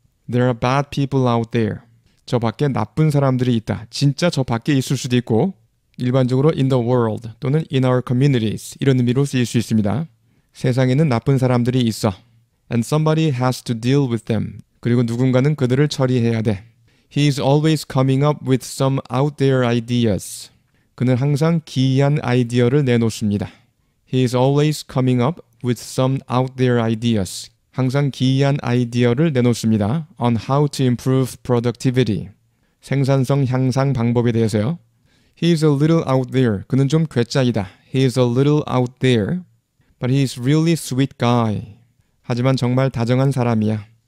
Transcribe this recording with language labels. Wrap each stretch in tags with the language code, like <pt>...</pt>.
<en>There are bad people out there.</en> <ko>저 밖에 나쁜 사람들이 있다. 진짜 저 밖에 있을 수도 있고 일반적으로</ko> <en>in the world</en> <ko>또는</ko> <en>in our communities</en> <ko>이런 의미로 쓰일 수 있습니다. 세상에는 나쁜 사람들이 있어.</ko> <en>And somebody has to deal with them.</en> <ko>그리고 누군가는 그들을 처리해야 돼.</ko> <en>He is always coming up with some out there ideas.</en> <ko>그는 항상 기이한 아이디어를 내놓습니다.</ko> <en>He is always coming up with some out there ideas.</en> <ko>항상 기이한 아이디어를 내놓습니다.</ko> <en>On how to improve productivity.</en> <ko>생산성 향상 방법에 대해서요.</ko> <en>He is a little out there.</en> <ko>그는 좀 괴짜이다.</ko> <en>He is a little out there. But he is really sweet guy.</en> <ko>하지만 정말 다정한 사람이야.</ko>